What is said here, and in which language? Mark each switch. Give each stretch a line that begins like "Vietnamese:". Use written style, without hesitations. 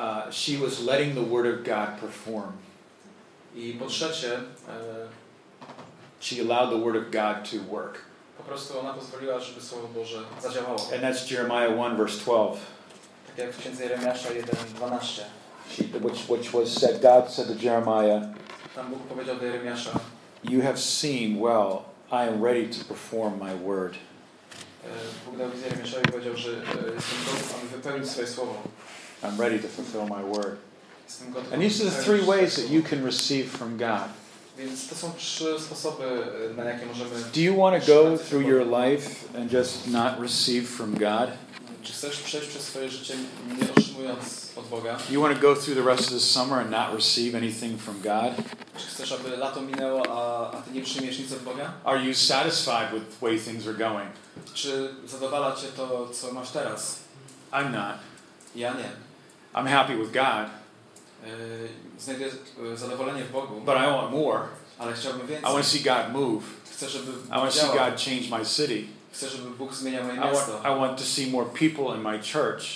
English: She was letting the word of God perform.
Polish: I po trzecie,
English: she allowed the word of God to work.
Polish: Po prostu ona pozwoliła, żeby Słowo Boże zadziałało.
English: And that's Jeremiah 1, verse 12.
Polish: Tak jak w Księdze Jeremiasza 1:12.
English: Which was said, God said to Jeremiah,
Polish: tam Bóg powiedział do Jeremiasza,
English: you have seen well, I am ready to perform my word.
Polish: Bóg dał wizję Jeremiaszowi i powiedział, że jestem gotów, aby wypełnić swoje słowo.
English: I'm ready to fulfill my word. And these are the three ways that you can receive from God.
Polish: Więc to są trzy sposoby, na jakie możemy.
English: Do you want to go through your life and just not receive from God?
Polish: Czy chcesz przejść przez swoje życie nie otrzymując od Boga?
English: Do you want to go through the rest of the summer and not receive anything from God?
Polish: Czy chcesz, aby lato minęło, a ty nie przyjmiesz nic od Boga?
English: Are you satisfied with the way things are going?
Polish: Czy zadowala cię to, co masz teraz?
English: I'm not.
Polish: Ja nie.
English: I'm happy with God.
Polish: Znajduję zadowolenie w Bogu.
English: But I want more.
Polish: Ale chciałbym więcej.
English: I want to see God move.
Polish: Chcę, żeby Bóg działał.
English: I want to see God change my city.
Polish: Chcę, żeby Bóg zmieniał moje miasto.
English: I want to see more people in my church.